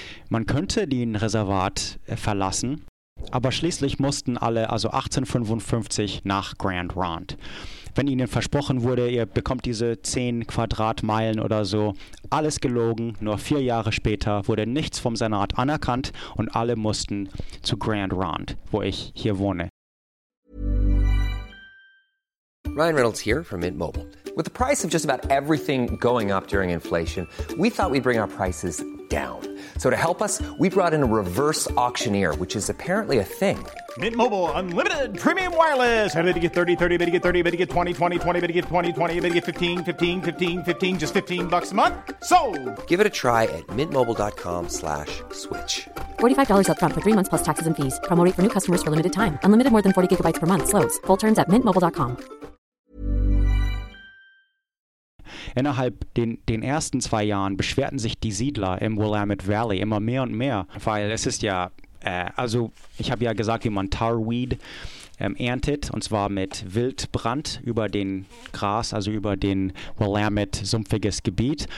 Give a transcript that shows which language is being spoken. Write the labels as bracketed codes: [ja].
[de] Man könnte den Reservat verlassen. Aber schließlich mussten alle, also 1855, nach Grand Ronde. Wenn ihnen versprochen wurde, ihr bekommt diese 10 Quadratmeilen oder so, alles gelogen, nur 4 Jahre später wurde nichts vom Senat anerkannt und alle mussten zu Grand Ronde, wo ich hier wohne. [en] Ryan Reynolds here from Mint Mobile. With the price of just about everything going up during inflation, we thought we'd bring our prices down. So to help us, we brought in a reverse auctioneer, which is apparently a thing. Mint Mobile Unlimited Premium Wireless. How to get 30, 30, how to get 30, how to get 20, 20, 20, how to get 20, 20, how to get 15, 15, 15, 15, just $15 a month? Sold! Give it a try at mintmobile.com/switch. $45 up front for 3 months plus taxes and fees. Promo rate for new customers for limited time. Unlimited more than 40 gigabytes per month. Slows full terms at mintmobile.com. [de] Innerhalb den ersten 2 Jahren beschwerten sich die Siedler im Willamette Valley immer mehr und mehr, weil es ist ja, also ich habe ja gesagt, wie man Tarweed erntet, und zwar mit Wildbrand über den Gras, also über den Willamette-sumpfiges Gebiet.